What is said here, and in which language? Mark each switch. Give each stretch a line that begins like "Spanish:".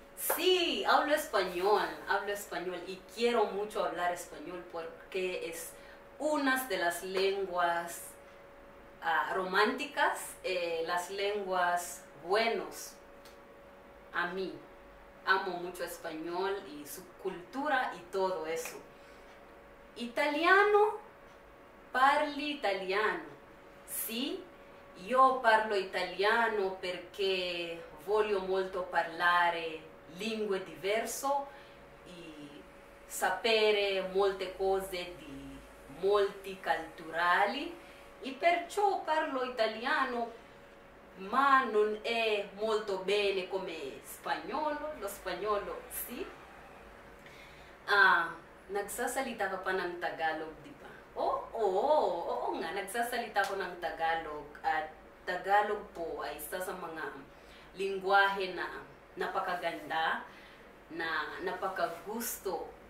Spanish: Sí, hablo español y quiero mucho hablar español porque es una de las lenguas románticas, las lenguas buenos. A mí, amo mucho español y su cultura y todo eso.
Italian: ¿Italiano? Parli italiano.
Spanish: Sí, yo
Italian: parlo italiano porque voglio molto parlare lingue diverse e sapere molte cose di molti culturali e perciò parlo italiano ma non è molto bene come spagnolo, lo spagnolo sì.
Filipino: Nagsasalita ka pa ng Tagalog, di ba? Oo nga, nagsasalita ko ng Tagalog at Tagalog po ay isa sa mga lingwahe na napakaganda, na napakagusto.